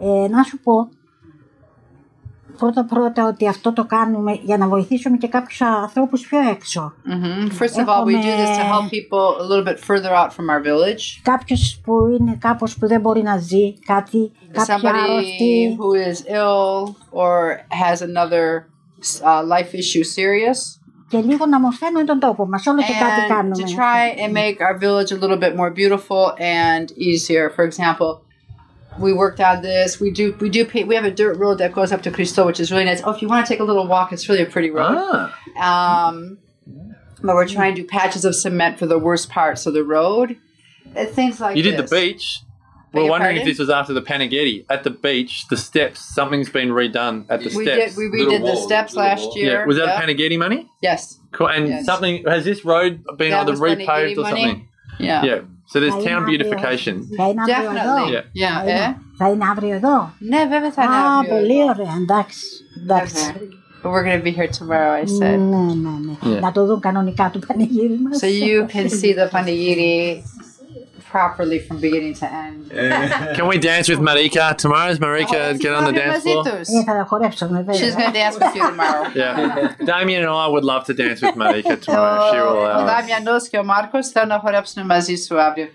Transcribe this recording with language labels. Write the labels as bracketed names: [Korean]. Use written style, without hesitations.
[Greek] Να σου πω, πρώτα-πρώτα, ότι αυτό το κάνουμε για να βοηθήσουμε και κάποιους ανθρώπους πιο έξω. [English] First of all, we do this to help people a little bit further out from our village. [Greek] Κάποιος που είναι κάπως που δεν μπορεί να ζει κάτι, κάποια άρρωστη. [English] Somebody who is ill or has another life issue serious. [Greek] Και λίγο να μορφαίνουν τον τόπο μας, όλο και κάτι κάνουμε. [English] And to try and make our village a little bit more beautiful and easier, for example, we worked on this. We do. We have a dirt road that goes up to Cristo, which is really nice. Oh, if you want to take a little walk, it's really a pretty road. But we're trying to do patches of cement for the worst parts of the road. Things like you did this. The beach. We're wondering if this was after the Panagetti. At the beach, the steps. Something's been redone at the steps. We redid the steps last year. Yeah. Was that Panagetti money? Yes. Cool. And yes. Something has this road been that either repaved or something? Money. Yeah. Yeah. So there's town beautification. Definitely. [Greek] Θα είναι αύριο εδώ. Ναι, βέβαια θα είναι αύριο. Α, πολύ ωραία. Εντάξει. [English] But we're going to be here tomorrow, I said. [Greek] Ναι. Να το δουν κανονικά το πανηγύρι μας. [English] So you can see the πανηγύρι properly from beginning to end. Can we dance with Marika tomorrow? Is Marika get on the dance floor? She's going to dance with you tomorrow. Yeah. Damien and I would love to dance with Marika tomorrow. She will allow us. [Greek] Damien και ο Μάρκος θέλουν να χορέψουν μαζί σου αύριο.